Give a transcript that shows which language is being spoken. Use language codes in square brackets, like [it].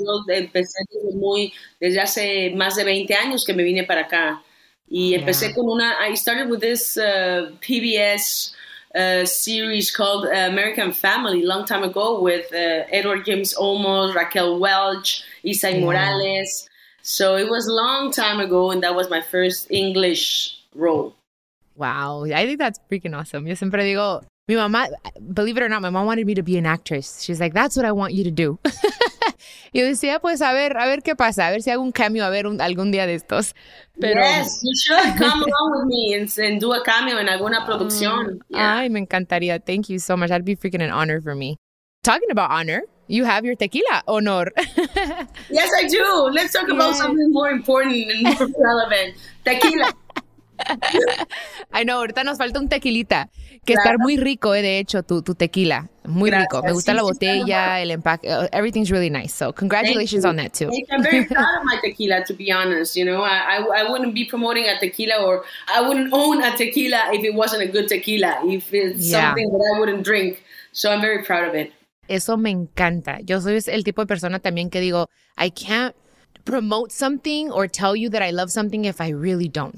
[es] Yo empecé desde hace más de 20 años que me vine para acá. Y empecé yeah. con una. [en] I started with this PBS series called American Family a long time ago with Edward James Olmos, Raquel Welch, Isai yeah. Morales. So it was a long time ago, and that was my first English role. Wow. I think that's freaking awesome. [es] Yo siempre digo, mi mamá, [en] believe it or not, my mom wanted me to be an actress. She's like, that's what I want you to do. [es] Yo decía, pues, a ver qué pasa, a ver si hago un cameo, a ver algún día de estos. Pero... [en] Yes, you should come along with me and do a cameo [es] en alguna producción. [en] Yeah. [es] Ay, me encantaría. [en] Thank you so much. That'd be freaking an honor for me. Talking about honor, you have your tequila honor. Yes, I do. Let's talk about yeah. something more important and more relevant. Tequila. I know, [es] ahorita nos falta un tequilita, que claro. estar muy rico, de hecho, tu tequila, muy Gracias. Rico. Me gusta sí, la botella, sí, el empaque, [en] everything's really nice, so congratulations on that, too. I'm very proud of my tequila, to be honest, you know, I wouldn't be promoting a tequila, or I wouldn't own a tequila if it wasn't a good tequila, if it's yeah. something that I wouldn't drink, so I'm very proud of it. [es] Eso me encanta, yo soy el tipo de persona también que digo, [en] I can't promote something or tell you that I love something if I really don't.